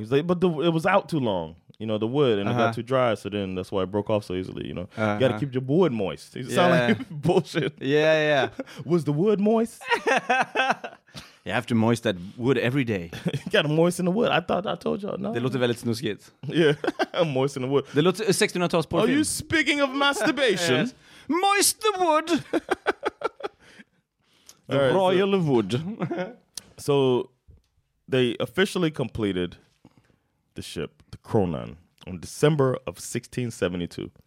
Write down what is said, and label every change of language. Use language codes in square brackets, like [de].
[en] He's like, but it was out too long, you know, the wood, and it got too dry. So then that's why it broke off so easily, you know. Uh-huh. You got to keep your wood moist. It sounded like bullshit. Yeah. Was the wood moist? You have to moist that wood every day. You gotta moisten the wood. I thought I told y'all. No. [sv] Det låter väldigt snuskigt. [en] Yeah. Moisten the wood. [sv] Det låter 1600-tals porrfilm. [en] Are you speaking of masturbation? Yes. Moist the wood. The right, royal so, wood. So they officially completed the ship, the Kronan, on December of 1672.